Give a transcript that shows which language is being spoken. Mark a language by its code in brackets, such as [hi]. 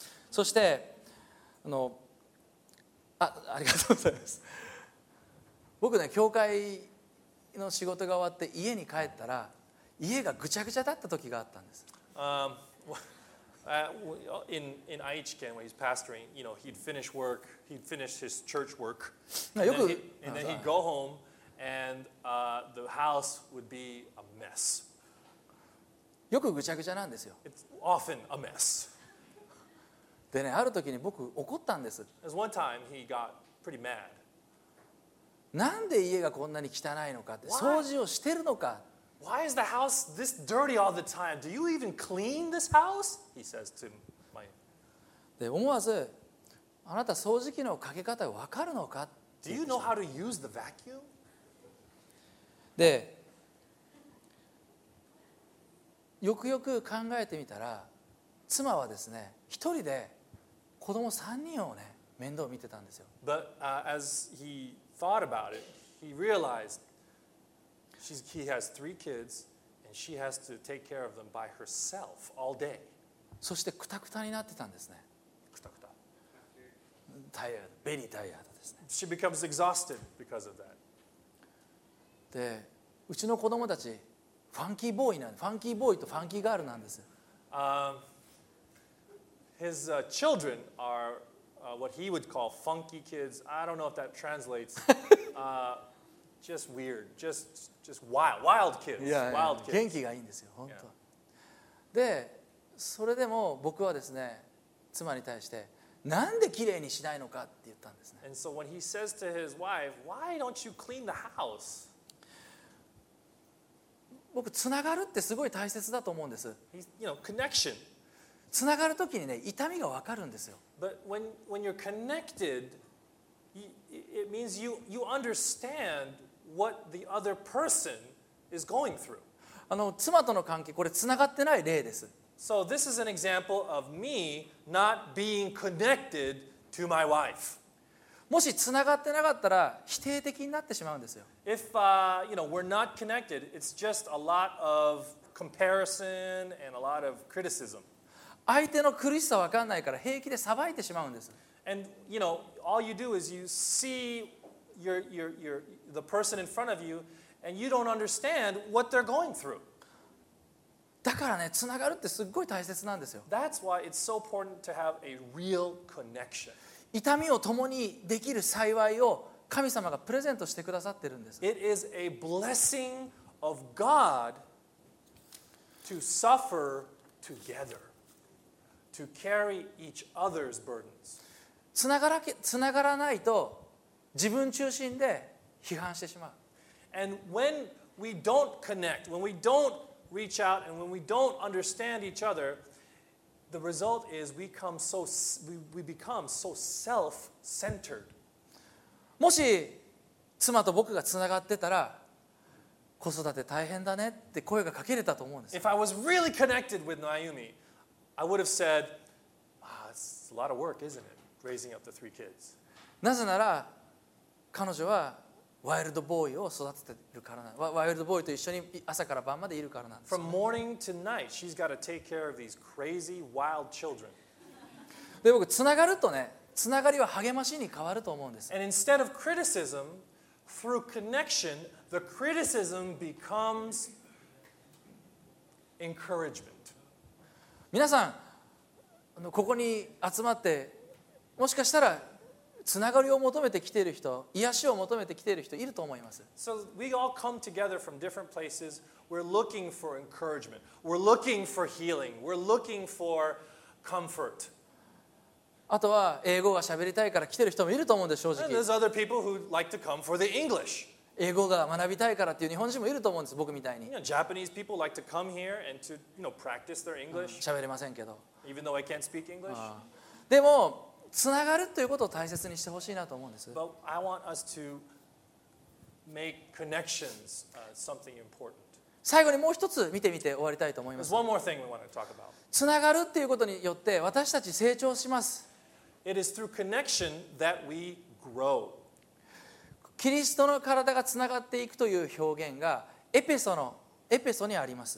[ja] そしてあのあありがとうございます。僕ね教会の仕事が終わって家に帰ったら家がぐちゃぐちゃだった時があったんです。 [en] In Aichi-ken, where he's pastoring, you know, he'd finish work, he'd finish his church work, and then he'd go home, and the house would be a mess. [ja] よくぐちゃぐちゃなんですよ。 [en] It's often a mess. [ja] でね、ある時に僕怒ったんです。 [en] As one time, he got pretty mad. [ja] なんで家がこんなに汚いのかって、掃除をしてるのか。 [en] Why is the house this dirty all the time? Do you even clean this house? He says to my. [ja] で思わず、あなた掃除機のかけ方わかるのか。 [en] Do you know how to use the vacuum? [ja] で、よくよく考えてみたら、妻はですね、一人で子供三人をね面倒見てたんですよ。 [en] But as he thought about it, he realized. He has three kids, and And she has to take care of them by herself all day. [ja] そしてクタクタになってたんですね。クタクタ。 [en] タイヤード、ベリータイヤードですね。 She becomes exhausted because of that. [ja] で、うちの子供たち、ファンキーボーイなんです。ファンキーボーイとファンキーガールなんです。 [en] His children are what he would call funky kids. I don't know if that translates. just weird. Just wild. Wild kids. Wild kids. [ja] 元気がいいんですよ、本当。で、それでも僕はですね、妻に対して、なんで綺麗にしないのかって言ったんですね。 [en] And so when he says to his wife, why don't you clean the house? [ja] 僕、つながるってすごい大切だと思うんです。 [en] You know, connection. [ja] つながるときにね、痛みが分かるんですよ。 [en] But when you're connected, it means you understand what the other person is going through. [ja] 妻との関係、これつながってない例です。 [en] So this is an example of me not being connected to my wife. [ja] もしつながってなかったら、否定的になってしまうんですよ。 [en] If you know, we're not connected, it's just a lot of comparison and a lot of criticism. [ja] 相手の苦しさ分かんないから平気でさばいてしまうんです。 [en] And you know, all you do is you see your the person in front of you, and you don't understand what they're going through. [ja] だからね、つながるってすごい大切なんですよ。 [en] That's why it's so important to have a real connection. [ja] 痛みを共にできる幸いを神様がプレゼントしてくださってるんです。 [en] It is a blessing of God to suffer together. To carry each other's burdens. [ja] つながらないと自分中心で批判してしまう。 [en] And when we don't connect, when we don't reach out, and when we don't understand each other, the result is we become so self-centered. [ja] もし妻と僕がつながってたら、子育て大変だねって声がかけれたと思うんです。 [en] If I was really connected with Naomi,I would have said, ah, it's a lot of work, isn't it? Raising up the three kids. [ja] なぜなら、彼女はワイルドボーイを育ててるからなんです。ワイルドボーイと一緒に朝から晩までいるからなんです。 [en] From morning to night, she's got to take care of these crazy, wild children. [ja] で、僕、つながるとね、つながりは励ましに変わると思うんです。 [en] And instead of criticism, through connection, the criticism becomes encouragement. [ja] 皆さん、ここに集まって、もしかしたらつながりを求めてきている人、癒しを求めてきている人いると思います。 [en] So we all come together from different places. We're looking for encouragement. We're looking for healing. We're looking for comfort. [ja] あとは英語が喋りたいから来ている人もいると思うんです、正直。 [en] And there's other people who like to come for the English. [ja] 英語が学びたいからっていう日本人もいると思うんです、僕みたいに。 [en] You know, Japanese people like to come here and to, you know, practice their English. [ja] 喋れませんけど。 [en] Even though I can't speak English. [ja] でも、つながるということを大切にしてほしいなと思うんです。 [en] But I want us to make connections something important. [ja] 最後にもう一つ見てみて終わりたいと思います。 [en] There's one more thing we want to talk about. [ja] つながるということによって私たち成長します。 [en] It is through connection that we grow. [ja] キリストの体がつながっていくという表現がエペソにあります。